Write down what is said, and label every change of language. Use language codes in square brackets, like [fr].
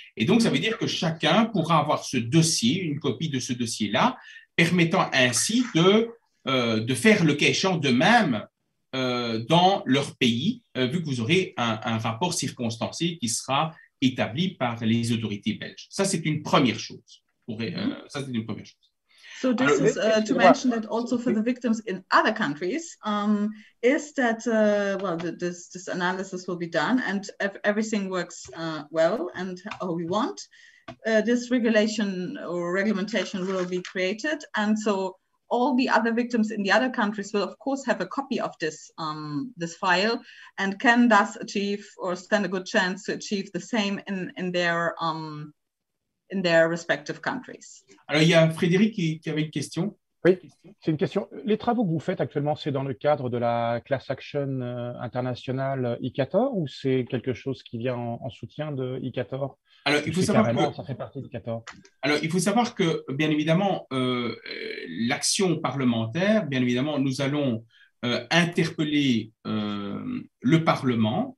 [fr] Et donc, ça veut dire que chacun pourra avoir ce dossier, une copie de ce dossier-là, permettant ainsi de faire le cas échéant d'eux-mêmes dans leur pays, vu que vous aurez un rapport circonstancié qui sera établi par les autorités belges. Ça, c'est une première chose. Ça, c'est une première chose. [en] So this is to mention that also for the victims in other countries is that well this analysis will be done and if everything works well and how we want this regulation or reglementation will be created and so all the other victims in the other countries will of course have a copy of this this file and can thus achieve or stand a good chance to achieve the same in their respective countries. [fr] Alors, il y a Frédéric qui avait une question. Oui, c'est une question. Les travaux que vous faites actuellement, c'est dans le cadre de la class action internationale ICATOR ou c'est quelque chose qui vient en soutien de ICATOR? Alors, il faut savoir que... ça fait partie d'ICATOR. Alors, il faut savoir que, bien évidemment, l'action parlementaire, bien évidemment, nous allons interpeller le Parlement.